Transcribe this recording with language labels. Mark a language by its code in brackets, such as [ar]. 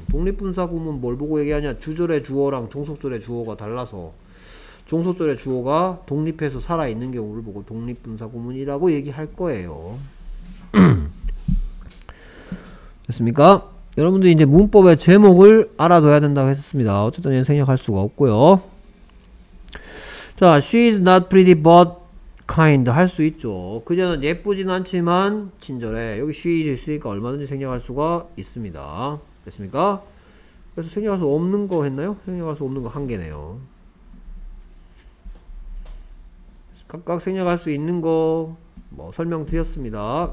[ko] 독립 분사 구문 뭘 보고 얘기하냐? 주절의 주어랑 종속절의 주어가 달라서. 종속절의 주어가 독립해서 살아있는 경우를 보고 독립분사구문이라고 얘기할 거예요. 됐습니까? 여러분들이 이제 문법의 제목을 알아둬야 된다고 했었습니다. 어쨌든 얘는 생략할 수가 없고요. [en] 자, she is not pretty but kind [ko] 할수 있죠. 그녀는 예쁘진 않지만 친절해. 여기 she 있으니까 얼마든지 생략할 수가 있습니다. 됐습니까? 그래서 생략할 수 없는 거 했나요? 생략할 수 없는 거한 개네요. 각각 생략할 수 있는 거 뭐 설명드렸습니다.